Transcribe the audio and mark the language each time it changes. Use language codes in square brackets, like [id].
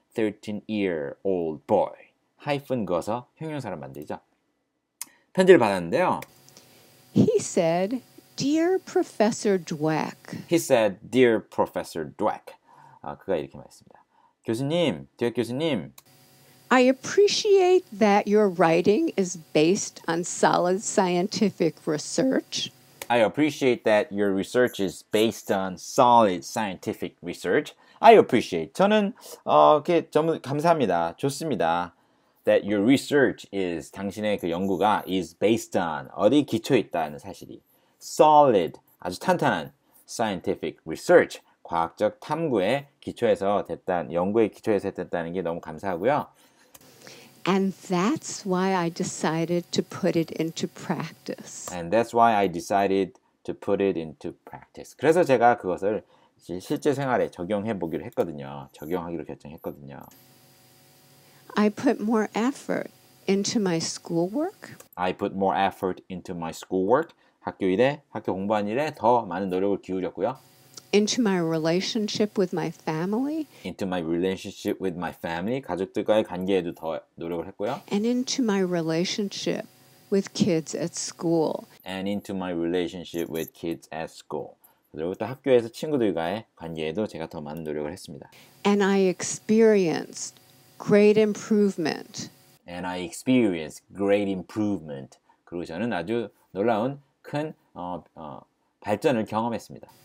[en] 13-year-old boy [ko] 하이픈 그어서 형용사로 만들죠. 편지를 받았는데요. [en] He said, "Dear Professor Dweck." He said, "Dear Professor Dweck." [ko] 그가 이렇게 말했습니다. 교수님, 대학 교수님. [en] I appreciate that your writing is based on solid scientific research. I appreciate that your research is based on solid scientific research. I appreciate. [ko] 저는 이렇게 전문 감사합니다. 좋습니다. [en] That your research is [ko] 당신의 그 연구가 [en] is based on [ko] 어디 기초에 있다는 사실이 [en] solid [ko] 아주 탄탄한 [en] scientific research [ko] 과학적 탐구에 기초해서 됐단 연구에 기초해서 됐다는 게 너무 감사하고요. [en] And that's why I decided to put it into practice. And that's why I decided to put it into practice. [ko] 그래서 제가 그것을 실제 생활에 적용해 보기로 했거든요. 적용하기로 결정했거든요. [en] I put more effort into my schoolwork. I put more effort into my schoolwork. [ko] 학교 일에, 학교 공부한 일에 더 많은 노력을 기울였고요. [en] Into my relationship with my family. Into my relationship with my family. [ko] 가족들과의 관계에도 더 노력을 했고요. [en] And into my relationship with kids at school. And into my relationship with kids at school. [ko] 그리고 또 학교에서 친구들과의 관계에도 제가 더 많은 노력을 했습니다. [en] And I experienced great improvement. And I experienced great improvement. [ko] 그리고 저는 아주 놀라운 큰 발전을 경험했습니다.